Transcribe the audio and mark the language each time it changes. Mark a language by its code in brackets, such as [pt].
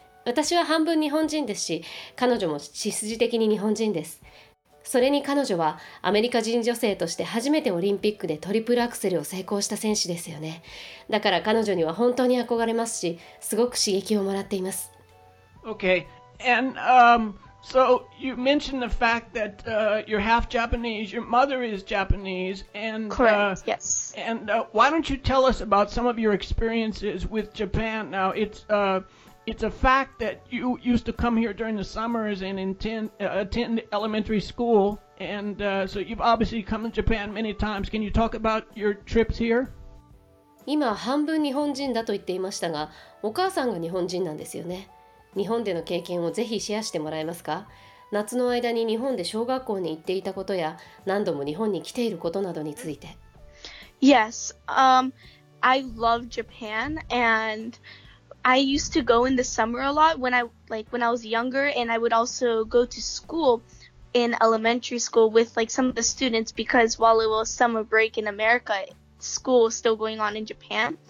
[ja] 私は半分日本人ですし、彼女も血筋的に日本人です。それに彼女はアメリカ人女性として初めてオリンピックでトリプルアクセルを成功した選手ですよね。だから彼女には本当に憧れますし、すごく刺激をもらっています。 [en] Okay, and so you mentioned the fact that you're half Japanese, your mother is Japanese, and correct, yes. And why don't you tell us about some of your experiences with Japan? Now, it's a fact that you used to come here during the summers and attend elementary school, and so you've obviously come to Japan many times. Can you talk about your trips here? [ja] 今半分日本人だと言っていましたが、お母さんが日本人なんですよね。日本での経験をぜひシェアしてもらえますか? 夏の間に日本で小学校に行っていたことや何度も日本に来ていることなどについて。 [en] Yes, I love Japan and I used to go in the summer a lot when I was younger and I would also go to school in elementary school with like some of the students because while it was summer break in America, school was still going on in Japan.